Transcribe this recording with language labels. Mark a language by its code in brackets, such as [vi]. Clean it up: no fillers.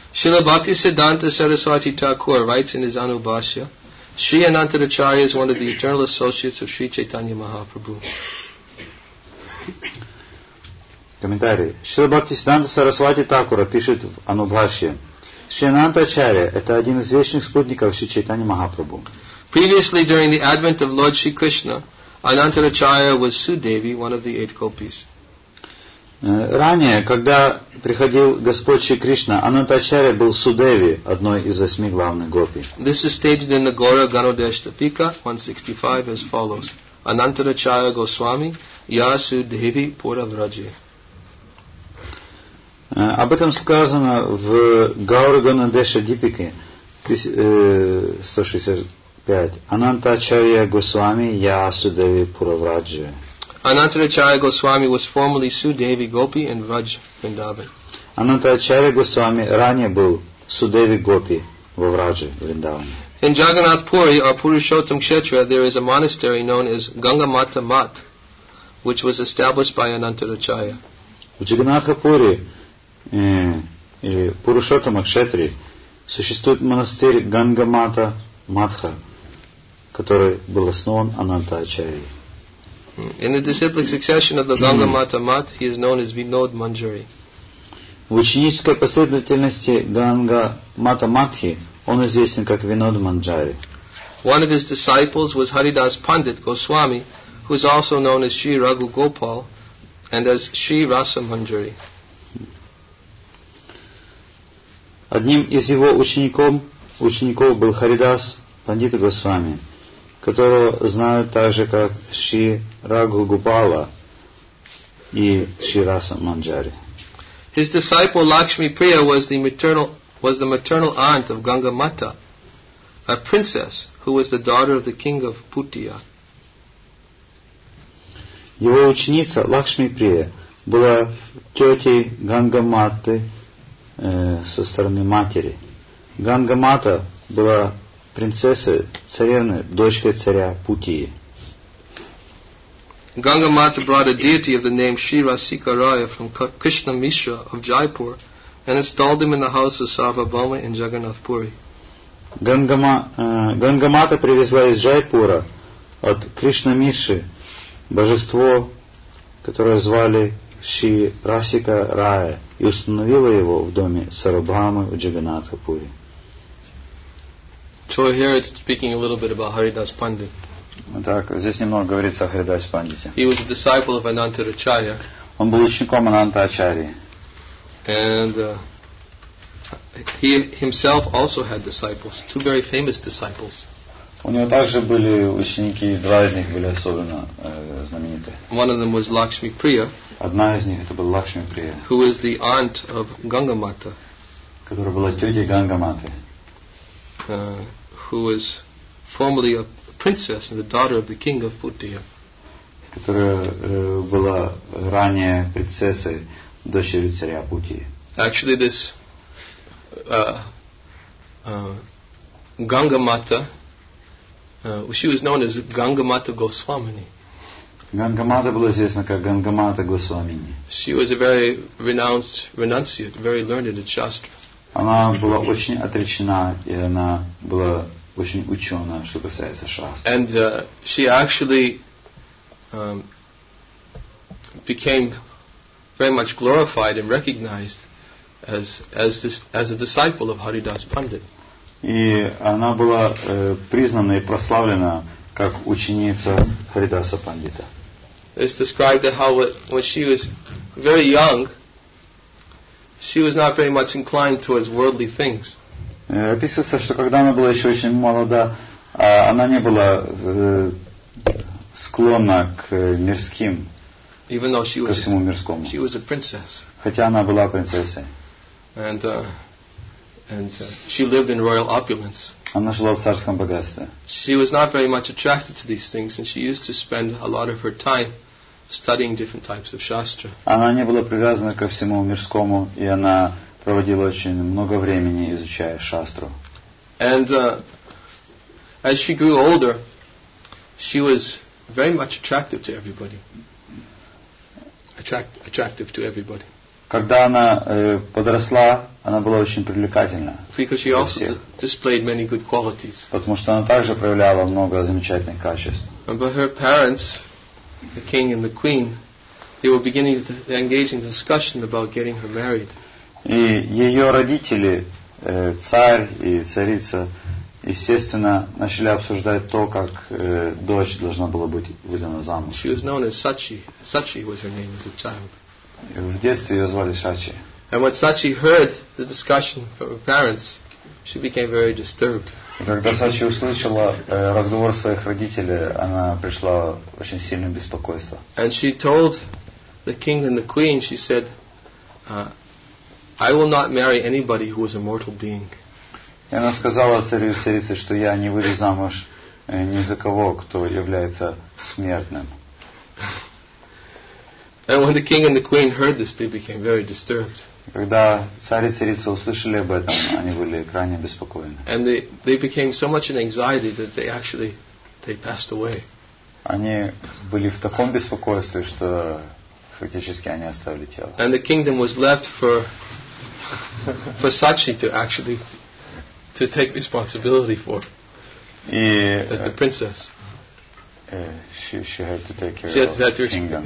[en] Srila Bhaktisiddhanta Saraswati Thakur writes in his Anubhashya, Sri Anantacharya is one of the eternal associates of Sri Chaitanya Mahaprabhu. [ru] Комментарий. Шрила Бхактисиддханта Сарасвати Такура пишет в Анубхаше. Шри Анантачарья – это один из вечных спутников Шри Чайтани Махапрабху. [en] Previously, during the advent of Lord Shri Krishna, Anantacharya was Sudevi, one of the eight gopis. [ru] Ранее, когда приходил Господь Шри Кришна, Анантачарья был Судеви, одной из восьми главных гопи. [en] This is stated in the Gaura Ganodeshtapika 165 as follows. [sa] Anantacharya Goswami, Ya Sudevi Puravraje. [ru] Об этом сказано в Гаура Ганадеша Дипике 165. [sa] Анантачарья Госвами Ясудеви Пураврадже. [en] Анантачарья Госвами was formerly Судеви Гопи and Врадж Вриндаван. [ru] Анантачарья Госвами ранее был Судеви Гопи во Врадже Вриндаване. [en] In Jagannath Puri or Purushottam Kshetra there is a monastery known as Ganga Mata Math, which was established by Анантачарья. [ru] В Джаганнатхапури и Пурушота Макшетри существует монастырь Гангамата Матха, который был основан Анантачарьей. [en] In the disciplic succession of the Гангамата Мат, he is known as Vinod Manjari. [ru] В ученической последовательности Гангамата Матхи он известен как Винод Манджари. [en] One of his disciples was Haridas Pandit Goswami, who is also known as Sri Raghu Gopal and as Sri Rasa Manjari. [ru] Одним из его учеников был Харидас Пандита Госвами, которого знают также как Шри Рагу Гупала и Шри Раса Манджари. [en] His disciple Lakshmi Priya was the maternal aunt of Ganga Mata, a princess who was the daughter of the king of Putia. [ru] Его ученица Лакшми Прия была тетей Ганга Маты со стороны матери. Ганга Мата была принцессой, царевной, дочкой царя Путии. [en] Ganga Mata brought a deity of the name Shri Rasika Raya from Krishna Mishra of Jaipur and installed him in the house of Sarvabhauma in Jagannath Puri. [ru] Ganga Mata привезла из Джайпура от Кришна Миши божество, которое звали Шри Расика Рая, и установила его в доме Сарабхамы в Джагнатха Пури. [en] So here it's speaking a little bit about Haridas Pandit. [ru] Так, здесь немного говорится о Харидасе Пандите. [en] He was a disciple of Ananta Acharya. [ru] Он был учеником Ананта Ачарьи. [en] And he himself also had disciples, two very famous disciples. [ru] У него также были ученики, два из них были особенно знамениты. [en] One of them was Lakshmi Priya. [ru] Одна из них это была Лакшми Прия. [en] Who is the aunt of Ganga Mata? [ru] Которая была тетей Ганга Маты. [en] Who was formerly a princess and the daughter of the king of Putia. [ru] Которая была ранее принцессой, дочерью царя Путии. [en] Actually, this Ganga Mata, she was known as Ganga Mata Goswamini. [ru] Ganga Mata была известна как Ganga Mata Goswamini. [en] She was a very renowned renunciate, very learned in Shastra. [ru] Она была очень отречена, и она была очень учена, что касается Шастры. [en] And she actually became very much glorified and recognized as a disciple of Haridas Pandit. [ru] И она была признана и прославлена как ученица Харидаса Пандита. [en] It's described that how when she was very young, she was not very much inclined towards worldly things. [ru] Описывается, что когда она была еще очень молода, она не была склонна к мирским, [en] even though she [ru] ко [en] was [ru] всему мирскому. [en] She was a princess. [ru] Хотя она была принцессой. [en] And she lived in royal opulence. [ru] Она жила в царском богатстве. [en] She was not very much attracted to these things, and she used to spend a lot of her time studying different types of shastra. [ru] Она не была привязана ко всему мирскому, и она проводила очень много времени, изучая шастру. [en] And as she grew older, she was very much attractive to everybody. Attractive to everybody. [ru] Когда она подросла, она была очень привлекательна. [en] Because she also displayed many good qualities. [ru] Потому что она также проявляла много замечательных качеств. [en] But her parents, the king and the queen, they were beginning to engage in discussion about getting her married. [ru] И ее родители, царь и царица, естественно, начали обсуждать то, как дочь должна была быть выдана замуж. [en] She was known as Sachi. Sachi was her name as a child. [ru] В детстве ее звали Сачи. [en] And when Sachi heard the discussion from her parents, she became very disturbed. [ru] Когда Сачи услышала разговор своих родителей, она пришла в очень сильное беспокойство. [en] And she told the king and the queen, she said, I will not marry anybody who is a mortal being. [ru] И она сказала царю и царице, что я не выйду замуж ни за кого, кто является смертным. [en] And when the king and the queen heard this, they became very disturbed. [ru] Когда царь и царица услышали об этом, они были крайне беспокоены. [en] And they became so much in anxiety that they passed away. [ru] Они были в таком беспокойстве, что фактически они оставили тело. [en] And the kingdom was left for Sachi to take responsibility for as the princess. She had to take care of the kingdom.